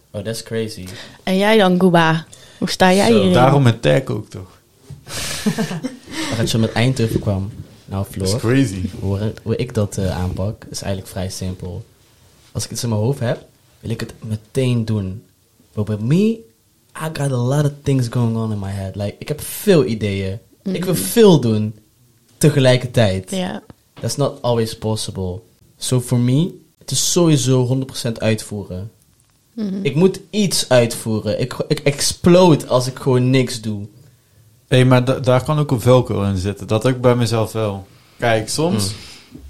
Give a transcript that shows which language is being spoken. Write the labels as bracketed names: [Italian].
[English] Oh, that's crazy. [Dutch] En jij dan, Guba? Hoe sta jij hier? Daarom met tech ook, toch? Dat je met Eindhoven kwam. Nou, Floor. [English] That's crazy. [Dutch] Hoe ik dat aanpak, is eigenlijk vrij simpel. Als ik iets in mijn hoofd heb, wil ik het meteen doen. [English] But with me, I got a lot of things going on in my head. [Dutch] Like, ik heb veel ideeën. Mm-hmm. Ik wil veel doen tegelijkertijd. [English] Yeah. That's not always possible. So for me, [Dutch] het is sowieso 100% uitvoeren. Mm-hmm. Ik moet iets uitvoeren. Ik explode als ik gewoon niks doe. Hey, maar daar kan ook een velcro in zitten. Dat ook bij mezelf wel. Kijk, soms... Mm.